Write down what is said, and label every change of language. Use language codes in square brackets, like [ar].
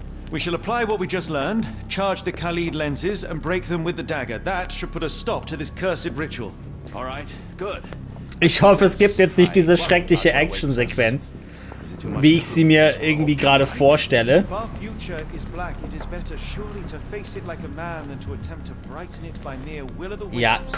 [en] We shall apply what we just learned, charge the Khalid lenses, and break them with the dagger. That should put a stop to this cursed ritual. All right, good. [de] Ich hoffe, es gibt jetzt nicht diese schreckliche Actionsequenz, wie ich sie mir irgendwie gerade vorstelle. [en] If our future is black, it is better surely to face it like a man than to attempt to brighten it by mere will-o'-the-wisps